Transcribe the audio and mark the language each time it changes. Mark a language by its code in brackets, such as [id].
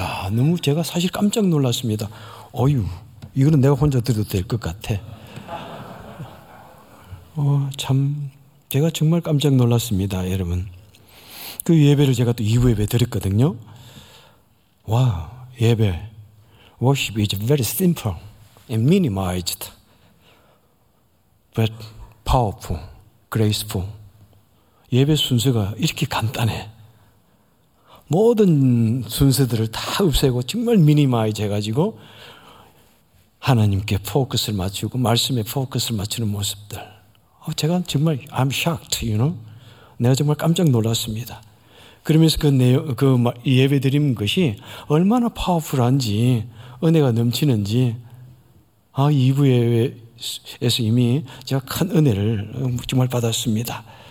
[ko] 너무 제가 사실 깜짝 놀랐습니다. 이거는 내가 혼자 들어도 될 것 같아. 참, 제가 정말 깜짝 놀랐습니다, 여러분. 그 예배를 제가 또 2부 예배 드렸거든요. 와, 예배. [en] Worship is very simple and minimized, but powerful, graceful. [ko] 예배 순서가 이렇게 간단해. 모든 순서들을 다 없애고 정말 미니마이즈 해가지고 하나님께 포커스를 맞추고 말씀에 포커스를 맞추는 모습들. 제가 정말 [en] I'm shocked, you know? [ko] 내가 정말 깜짝 놀랐습니다. 그러면서 그 예배 드리는 것이 얼마나 파워풀한지 은혜가 넘치는지 2부 예배에서 이미 제가 큰 은혜를 정말 받았습니다.